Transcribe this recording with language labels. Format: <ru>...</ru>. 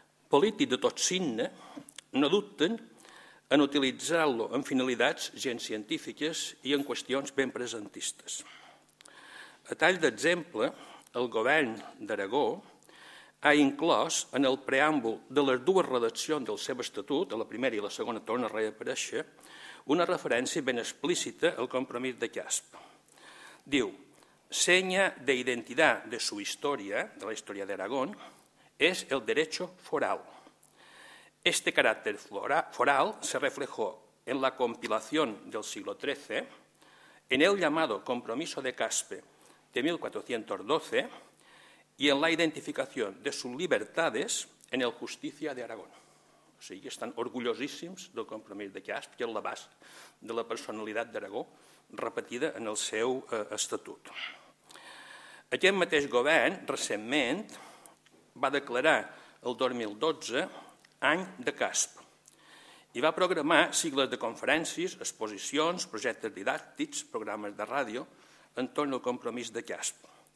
<ca>Polític de tot signe no dubten en utilitzar-lo en finalitats gens científiques i en qüestions ben presentistes. A tall d'exemple, el govern d'Aragó ha inclòs en el preàmbul de les dues redaccions del seu estatut, a la primera i la segona torna a reaparèixer, una referència ben explícita al compromís de CASP. Diu,</ca> <es>seña de identidad de su historia, de la historia de Aragón, es el derecho foral. Este carácter foral se reflejó en la compilación del siglo XIII, en el llamado Compromiso de Caspe de 1412 y en la identificación de sus libertades en el Justicia de Aragón.</es> <ca>O sigui, estan orgullosíssims del compromís de Casp i el abast de la personalitat d'Aragó repetida en el seu estatut. Aquest mateix govern, recentment, va declarar el 2012 any de Casp i va programar cicles de conferències, exposicions, projectes didàctics, programes de ràdio, entorn al compromís de Casp.</ca>